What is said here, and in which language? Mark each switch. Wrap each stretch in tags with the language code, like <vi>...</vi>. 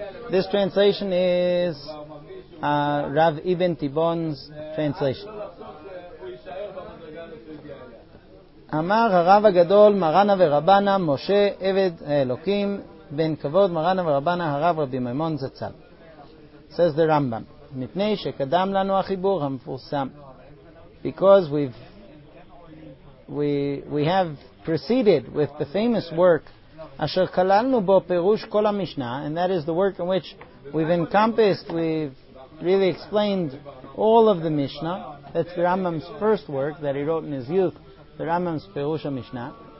<en>This translation is Rav Ibn Tibon's translation.</en> <he>אמר הרב הגדול מרנה ורבנה משה עבד האלוקים בן כבוד מרנה ורבנה הרב רבי מימון זצ"ל.</he> <en>Says the Rambam,</en> <he>מפני שקדם לנו החיבור המפורסם.</he> <en>Because we have proceeded with the famous work</en> <he>אשר כללנו בו פירוש כל המשנה,</he> <en>and that is the work in which we've encompassed, we've really explained all of the Mishnah. That's the Rambam's first work that he wrote in his youth, the Rambam's Perush HaMishnah.</en>